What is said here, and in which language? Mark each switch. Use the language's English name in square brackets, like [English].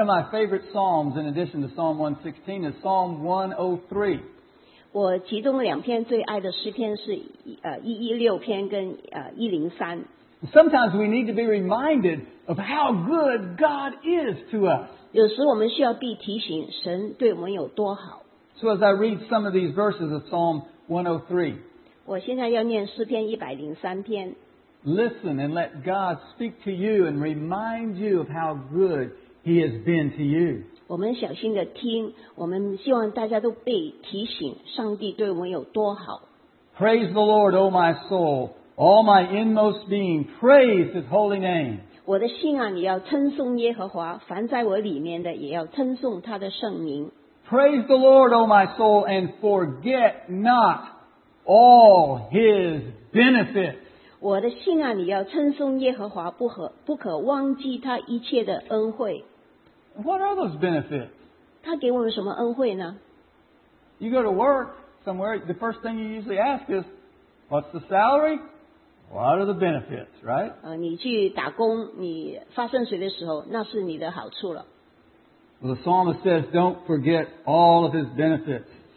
[English] of my favorite psalms in addition to Psalm 116 is Psalm 103. [Chinese] 我其中两篇最爱的诗篇是116篇跟103。 [English] Sometimes we need to be reminded of how good God is to us. [Chinese] 有时我们需要被提醒神对我们有多好。 [English] So as I read some of these verses of Psalm 103, [Chinese] 我现在要念诗篇103篇。 [English] Listen and let God speak to you and remind you of how good He has been to you. [Chinese] 我们小心地听, 我们希望大家都被提醒上帝对我们有多好。 [English] Praise the Lord, O my soul, all my inmost being, praise His holy name. [Chinese] 我的心啊, 你要称颂耶和华, 凡在我里面的也要称颂他的圣名。 [English] Praise the Lord, O my soul, and forget not all His benefits. [Chinese] 我的心啊, 你要称颂耶和华, 不可忘记他一切的恩惠。 [English] What are those benefits? [Chinese] 他给我们什么恩惠呢? [English] You go to work somewhere, the first thing you usually ask is, what's the salary? What are the benefits, right? [Chinese] 你去打工, 你发薪水的时候, 那是你的好处了。 [English] Well, the psalmist says, don't forget all of His benefits.